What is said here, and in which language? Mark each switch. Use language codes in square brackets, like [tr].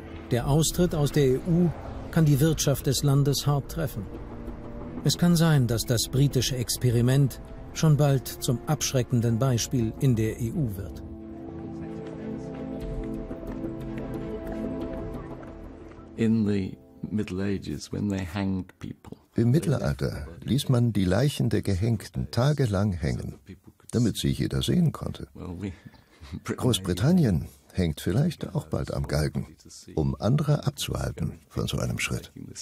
[de] Der Austritt aus der EU kann die Wirtschaft des Landes hart treffen. Es kann sein, dass das britische Experiment schon bald zum abschreckenden Beispiel in der EU wird. [en] In the Middle Ages, when they hanged people. [de] Im Mittelalter ließ man die Leichen der Gehängten tagelang hängen, damit sie jeder sehen konnte. Großbritannien hängt vielleicht auch bald am Galgen, um andere abzuhalten von so einem Schritt.